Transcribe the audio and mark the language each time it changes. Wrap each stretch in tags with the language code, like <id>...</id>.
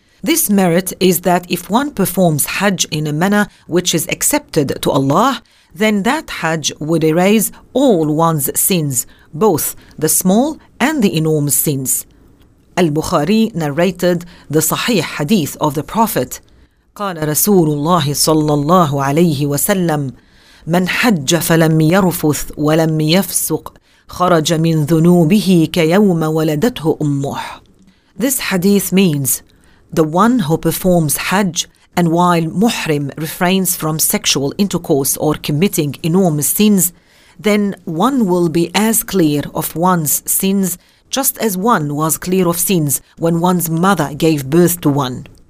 <en>This merit is that if one performs Hajj in a manner which is accepted to Allah, then that Hajj would erase all one's sins, both the small and the enormous sins. Al-Bukhari narrated the Sahih Hadith of the Prophet.</en> <ar>قال رسول الله صلى الله عليه وسلم من حج فلم يرفث ولم يفسق خرج من ذنوبه كيوم ولدته أمه.</ar> <en>This hadith means, the one who performs Hajj and while Muhrim refrains from sexual intercourse or committing enormous sins, then one will be as clear of one's sins just as one was clear of sins when one's mother gave birth to one.</en>